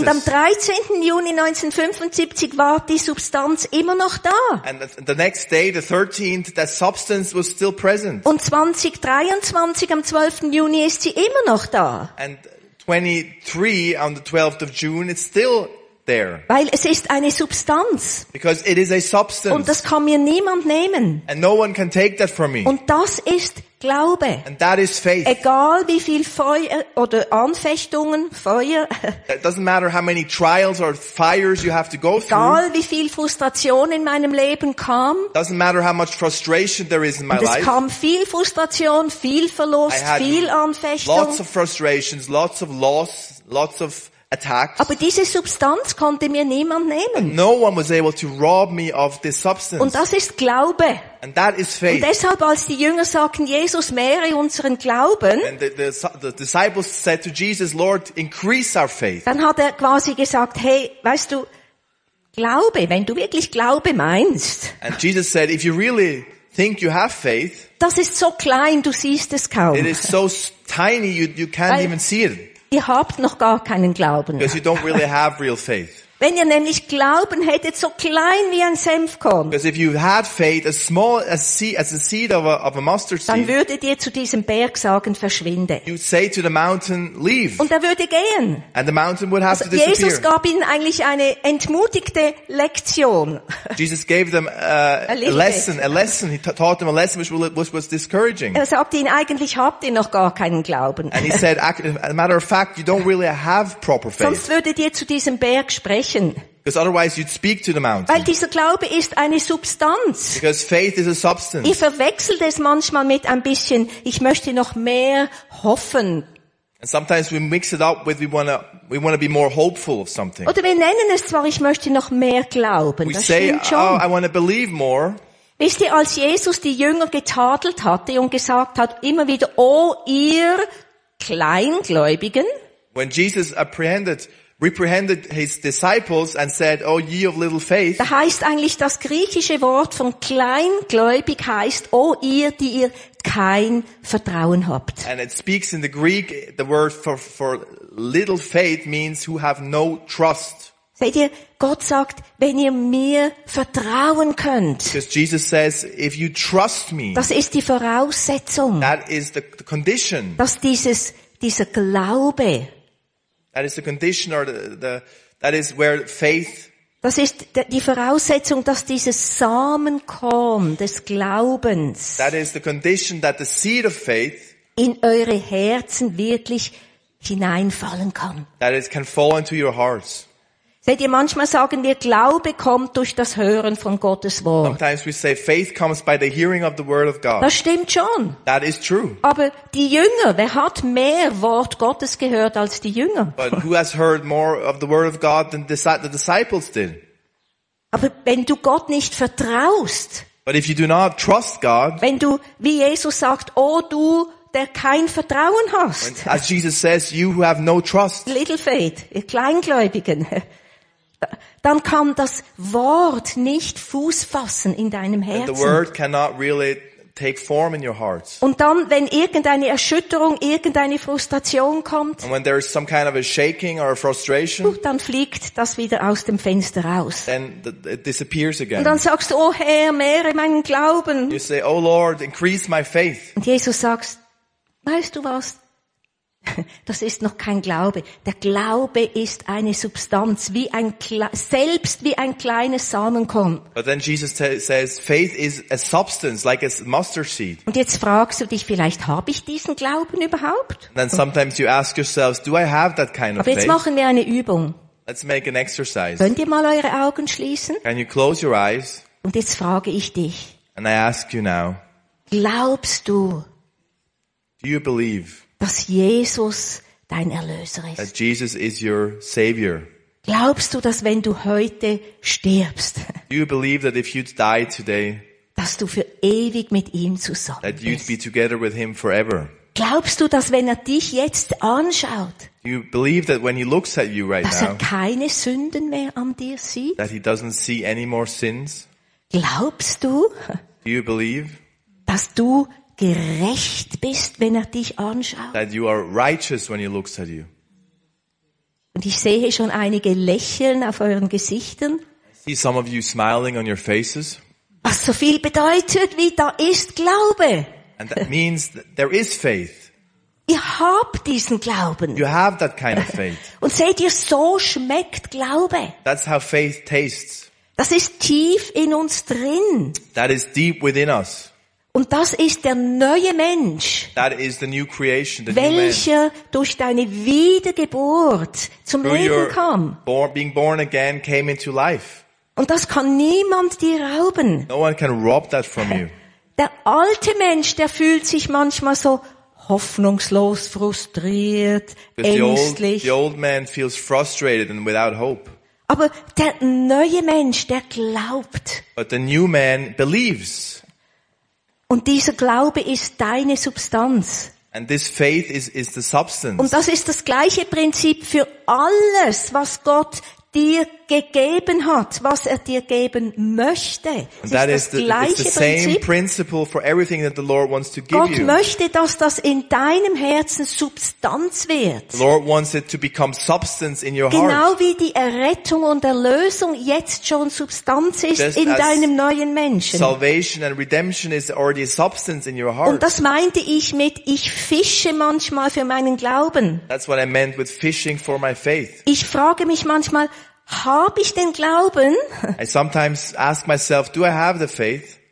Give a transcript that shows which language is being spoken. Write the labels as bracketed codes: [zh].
[de] Und am 13. Juni 1975 war die Substanz immer noch da. [en] And the next day, the 13th, that substance was still present. [de] Und 2023, am 12. Juni, ist sie immer noch da. [en] And 23, on the 12th of June, it's still there. [de] Weil es ist eine Substanz. [en] Because it is a substance. [de] Und das kann mir niemand nehmen. [en] And no one can take that from me. [de] Und das ist Glaube. [en] And that is faith. [de] Egal wie viel Feuer oder Anfechtungen, Feuer. [en] It doesn't matter how many trials or fires you have to go through. [de] Egal wie viel Frustration in meinem Leben kam. [en] It doesn't matter how much frustration there is in my life. [de] Es kam viel Frustration, viel Verlust, viel Anfechtung. [en] Lots of frustrations, lots of loss, lots of attacks. [de] Aber diese Substanz konnte mir niemand nehmen. [en] And no one was able to rob me of this substance. [de] Und das ist Glaube. [en] And that is faith. [de] Und deshalb, als die Jünger sagten, Jesus, mehre unseren Glauben. [en] And the disciples said to Jesus, Lord, increase our faith. [de] Dann hat er quasi gesagt, hey, weißt du, Glaube, wenn du wirklich Glaube meinst. [en] And Jesus said, if you really think you have faith. [de] Das ist so klein, du siehst es kaum. [en] It is so tiny, you can't even see it. [de] Ihr habt noch gar keinen Glauben. [en] Because you don't really have real faith. [de] Wenn ihr nämlich Glauben hättet, so klein wie ein Senfkorn. [en] Because if you had faith, as small as a seed of a mustard seed. [de] Dann würdet ihr zu diesem Berg sagen, verschwinde. [en] You'd say to the mountain, leave. [de] Und er würde gehen. [en] And the mountain would have also to disappear. [de] Jesus gab ihnen eigentlich eine entmutigte Lektion. [en] Jesus gave them a lesson. He taught them a lesson which was discouraging. [de] Er sagte ihnen, eigentlich habt ihr noch gar keinen Glauben. [en] And he said, as a matter of fact, you don't really have proper faith. [de] Sonst würdet ihr zu diesem Berg sprechen. [en] Because otherwise you'd speak to the mountain. [de] Weil dieser Glaube ist eine Substanz. [en] Because faith is a substance. [de] Ich verwechsel das manchmal mit ein bisschen, ich möchte noch mehr hoffen. [en] And sometimes we mix it up with we want to be more hopeful of something. [de] Oder wir nennen es zwar, ich möchte noch mehr glauben. [en] We [de] das [en] say, [de] stimmt schon. [en] Oh, I want to believe more. [de] Wisst ihr, als Jesus die Jünger getadelt hatte und gesagt hat, immer wieder, oh ihr Kleingläubigen. [en] When Jesus reprehended his disciples and said, oh ye of little faith. [de] Da heißt eigentlich das griechische Wort von kleingläubig heißt, oh ihr, die ihr kein Vertrauen habt. [en] And it speaks in the Greek, the word for little faith means who have no trust. [de] Seht ihr, Gott sagt, wenn ihr mir vertrauen könnt. [en] Because Jesus says, if you trust me. [de] Das ist die Voraussetzung. [en] That is the condition. [de] Dass dieser Glaube. [en] That is the condition or the that is where faith. [de] Das ist die Voraussetzung, dass dieses Samenkorn des Glaubens. [en] That is the condition that the seed of faith. [de] In eure Herzen wirklich hineinfallen kann. [en] That it can fall into your hearts. [de] Seht ihr, manchmal sagen wir, Glaube kommt durch das Hören von Gottes Wort. [en] Sometimes we say faith comes by the hearing of the word of God. [de] Das stimmt schon. [en] That is true. [de] Aber die Jünger, wer hat mehr Wort Gottes gehört als die Jünger? [en] But who has heard more of the word of God than the disciples did? [de] Aber wenn du Gott nicht vertraust. [en] But if you do not trust God. [de] Wenn du, wie Jesus sagt, oh du, der kein Vertrauen hast. [en] When, as Jesus says, you who have no trust. Little faith, [de] ihr Kleingläubigen. Dann kann das Wort nicht Fuß fassen in deinem Herzen. [en] The word cannot really take form in your heart. [de] Und dann, wenn irgendeine Erschütterung, irgendeine Frustration kommt, [en] and when there is some kind of a shaking or a frustration, [de] dann fliegt das wieder aus dem Fenster raus. [en] Then it disappears again. [de] Und dann sagst du, oh Herr, mehre meinen Glauben. [en] You say, oh Lord, increase my faith. [de] Und Jesus sagt, weißt du was? Das ist noch kein Glaube. Der Glaube ist eine Substanz, wie ein selbst wie ein kleines Samenkorn. [en] But then Jesus says, faith is a substance like a mustard seed. [de] Und jetzt fragst du dich vielleicht, habe ich diesen Glauben überhaupt? [en] And then sometimes you ask yourselves, do I have that kind of faith? [de] Aber jetzt machen wir eine Übung. [en] Let's make an exercise. [de] Könnt ihr mal eure Augen schließen? [en] Can you close your eyes? [de] Und jetzt frage ich dich. [en] And I ask you now. [de] Glaubst du? [en] Do you believe? [de] Dass Jesus dein Erlöser ist. [en] That Jesus is your savior. [de] Glaubst du, dass wenn du heute stirbst, [en] do you believe that if you'd die today, [de] dass du für ewig mit ihm zusammen bist? [en] That you'd be together with him forever. [de] Glaubst du, dass wenn er dich jetzt anschaut, [en] do you believe that when he looks at you right [de] dass [en] now, [de] er keine Sünden mehr an dir sieht? [en] That he doesn't see any more sins? [de] Glaubst du, [en] do you believe, [de] dass du gerecht bist, wenn er dich anschaut. [en] That you are righteous when he looks at you. [de] Und ich sehe schon einige Lächeln auf euren Gesichtern. [en] I see some of you smiling on your faces. [de] Was so viel bedeutet, wie da ist Glaube. [en] And that means that there is faith. [de] Ihr habt diesen Glauben. [en] You have that kind of faith. [de] Und seht ihr, so schmeckt Glaube. [en] That's how faith tastes. [de] Das ist tief in uns drin. [en] That is deep within us. [de] Und das ist der neue Mensch, [en] that is the new creation, the [de] welcher man, durch deine Wiedergeburt zum Leben kam. [en] Being born again came into life. [de] Und das kann niemand dir rauben. [en] No one can rob that from you. [de] Der alte Mensch, der fühlt sich manchmal so hoffnungslos, frustriert, ängstlich. [en] The old man feels frustrated and without hope. [de] Aber der neue Mensch, der glaubt. [en] But the new man believes. [de] Und dieser Glaube ist deine Substanz. [en] And this faith is the substance. [de] Und das ist das gleiche Prinzip für alles, was Gott dir gegeben hat, was er dir geben möchte. [en] That is the same principle for everything that the Lord wants to give you. [de] Gott möchte, dass das in deinem Herzen Substanz wird. [en] The Lord wants it to become substance in your heart. [de] Genau wie die Errettung und Erlösung jetzt schon Substanz ist in deinem neuen Menschen. [en] Salvation and redemption is already a substance in your heart. [de] Und das meinte ich mit, ich fische manchmal für meinen Glauben. [en] That's what I meant with fishing for my faith. [de] Ich frage mich manchmal, habe ich den Glauben? [en] I sometimes ask myself, do I have the faith?